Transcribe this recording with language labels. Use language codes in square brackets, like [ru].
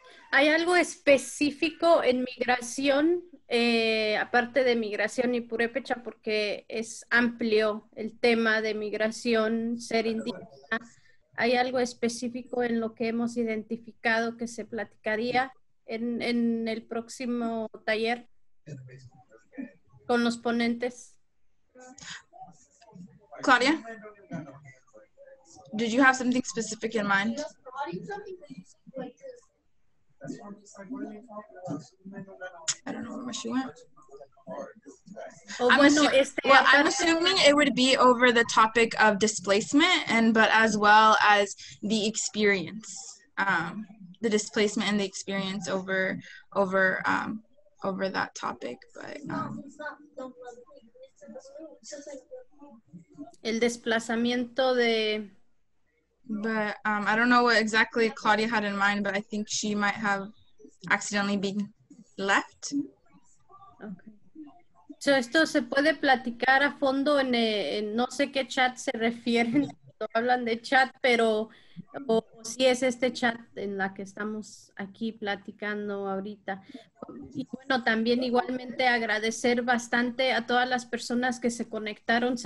[es] ¿Hay algo específico en migración, aparte de migración y purépecha, porque es amplio el tema de migración, ser indígena? ¿Hay algo específico en lo que hemos identificado que se platicaría en el próximo taller con los ponentes? [en] Claudia, did you have something specific in mind? I don't know where she went. I'm assuming it would be over the topic of displacement, but as well as the experience, the displacement and the experience over that topic. But [es] el desplazamiento de. [en] But I don't know what exactly Claudia had in mind, but I think she might have accidentally been left. [es] Okay. [en] So [es] esto se puede platicar a fondo en no sé qué chat se refieren cuando hablan de chat, pero o si es este chat en la que estamos aquí platicando ahorita. Y bueno, también igualmente agradecer bastante a todas las personas que se conectaron.